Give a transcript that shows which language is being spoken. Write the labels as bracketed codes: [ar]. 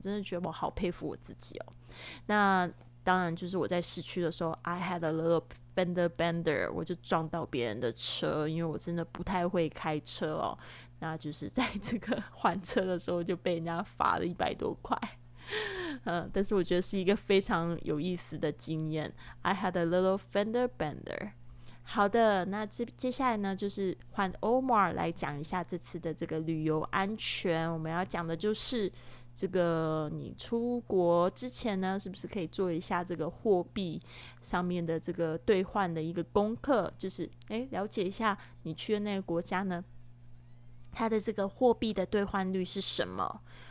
[zh] 我真的觉得我好佩服我自己哦。那当然就是我在市区的时候 [en] I had a little fender bender， [zh] 我就撞到别人的车，因为我真的不太会开车哦。那就是在这个换车的时候就被人家罚了100多块，但是我觉得是一个非常有意思的经验。 [en] I had a little fender bender。 [zh] 好的，那接下来呢就是换 Omar 来讲一下这次的这个旅游安全。我们要讲的就是这个你出国之前呢是不是可以做一下这个货币上面的这个兑换的一个功课，就是了解一下你去的那个国家呢它的这个货币的兑换率是什么。